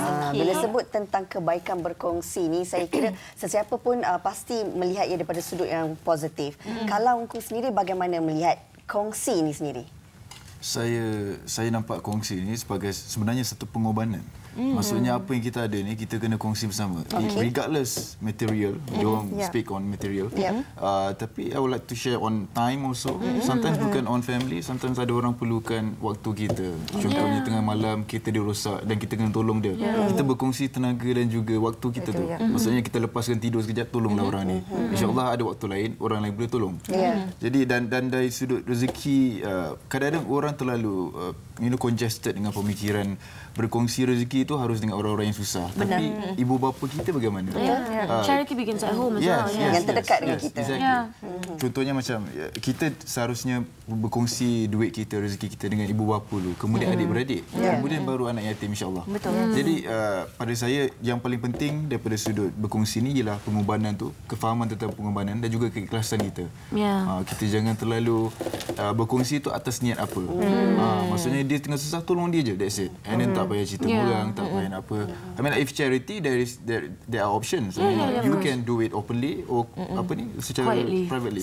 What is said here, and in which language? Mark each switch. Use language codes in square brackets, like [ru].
[ms] Bila sebut tentang kebaikan berkongsi ni, saya kira sesiapa pun pasti melihat ia daripada sudut yang positif. Kalau Ungku sendiri, bagaimana melihat kongsi ini sendiri? Saya nampak kongsi ini sebagai sebenarnya satu pengorbanan. Maksudnya apa yang kita ada ni kita kena kongsi bersama. [en] Regardless material, don't speak on material. Tapi I would like to share on time also. [ms] Sometimes bukan on family, sometimes ada orang perlukan waktu kita. Contohnya tengah malam kereta dia rosak dan kita kena tolong dia. Kita berkongsi tenaga dan juga waktu kita tu. Maksudnya kita lepaskan tidur sekejap, tolonglah orang ni. InsyaAllah ada waktu lain, orang lain boleh tolong. Jadi dan dari sudut rezeki, kadang-kadang orang terlalu congested dengan pemikiran berkongsi rezeki itu harus dengan orang-orang yang susah. Tapi ibu bapa kita bagaimana? [en] Charity begins at home. [ms] Yang terdekat dengan kita. Contohnya macam kita seharusnya berkongsi duit kita, rezeki kita dengan ibu bapa dulu, kemudian adik-beradik, kemudian baru anak yatim, insya-Allah. Jadi pada saya yang paling penting daripada sudut berkongsi ini ialah pengorbanan tu, kefahaman tentang pengorbanan dan juga keikhlasan kita. Kita jangan terlalu berkongsi itu atas niat apa. Maksudnya dia tengah susah, tolong dia je, [en] that's it. [ms] And then tak payah cerita murang, tak payah apa. [en] I mean, like, if charity, there are options. You can do it openly or [ms] apa ni, secara [en] privately.